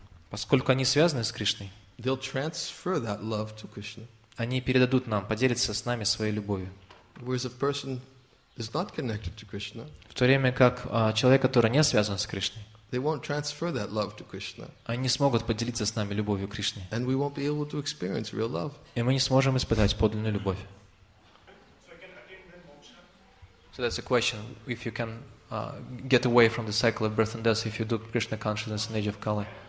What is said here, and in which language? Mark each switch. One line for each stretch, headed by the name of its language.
Russian: поскольку они связаны с Кришной,
English: they'll transfer that love to Krishna.
Russian: Они передадут нам, поделятся с нами своей любовью.
English: Whereas a person is not connected to Krishna,
Russian: в то время как человек, который не связан с Кришной,
English: they won't transfer that love to Krishna.
Russian: Они не смогут поделиться с нами любовью к Кришне.
English: And we won't be able to experience real love.
Russian: И мы не сможем испытать подлинную любовь.
English: So that's a question. If you can get away from the cycle of birth and death, if you do Krishna consciousness in the age of Kali.